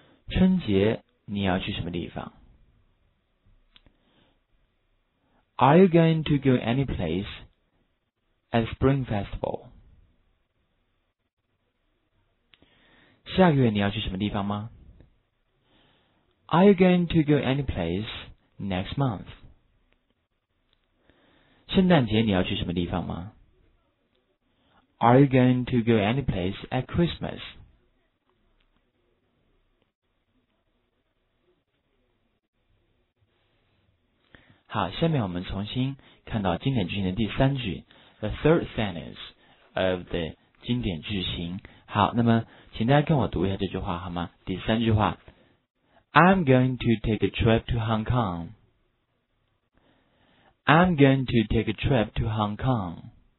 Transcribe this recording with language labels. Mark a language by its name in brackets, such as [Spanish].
[Chinese] 春节你要去什么地方 [English] ？Are you going to go any place at Spring Festival? [Chinese] 下个月你要去什么地方吗？ [English] Are you going to go any place next month? [Chinese] 圣诞节你要去什么地方吗 [English] ？Are you going to go any place at Christmas? [Chinese] 好，下面我们重新看到经典句型的第三句 ， [English] the third sentence of the [Chinese] 经典句型。好，那么请大家跟我读一下这句话好吗？第三句话。 [English] I'm going to take a trip to Hong Kong. I'm going to take a trip to Hong Kong.